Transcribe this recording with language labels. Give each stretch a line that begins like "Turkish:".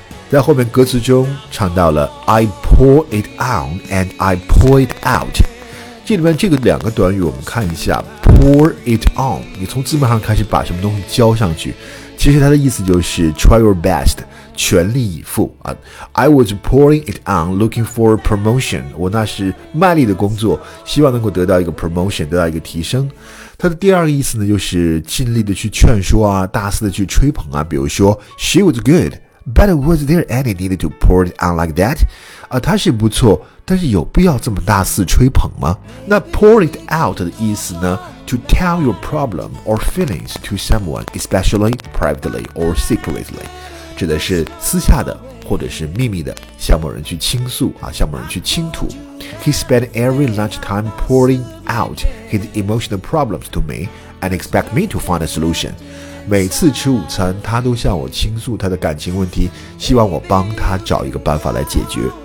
Chinese: 在后面歌词中唱到了
English: I pour it on and I pour it out，
Chinese: 这里面这个两个短语我们看一下。 pour it on， 你从字面上开始把什么东西浇上去，其实它的意思就是
English: try your best，
Chinese: 全力以赴、
English: I was pouring it on looking for a promotion.
Chinese: 我那是卖力的工作，希望能够得到一个 promotion， 得到一个提升。他的第二个意思呢，就是尽力的去劝说啊，大肆的去吹捧啊，比如说
English: She was good, but was there any need to pour it on like that?
Chinese: 他是不错，但是有必要这么大肆吹捧吗？那 pour it out 的意思呢，
English: To tell your problem or feelings to someone, especially privately or secretly,
Chinese: 指的是私下的或者是秘密的向某人去倾诉啊，向某人去倾吐。
English: He spent every lunchtime pouring out his emotional problems to me and expect me to find a solution.
Chinese: 每次吃午餐，他都向我倾诉他的感情问题，希望我帮他找一个办法来解决。